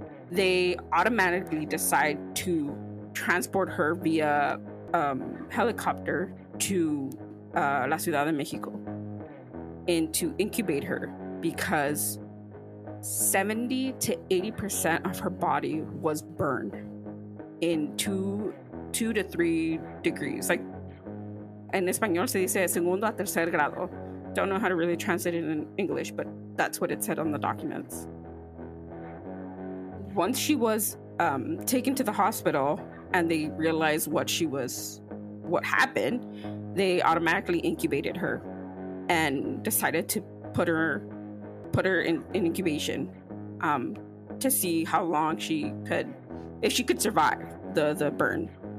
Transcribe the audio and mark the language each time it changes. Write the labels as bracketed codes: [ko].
[en] they automatically decide to transport her via helicopter to La Ciudad de Mexico and to incubate her, because 70 to 80% of her body was burned in two to three degrees. [es] Like, en español se dice segundo a tercer grado. [en] Don't know how to really translate it in English, but that's what it said on the documents. Once she was taken to the hospital and they realized what happened, they automatically incubated her and decided to put her in incubation to see how long if she could survive the burn.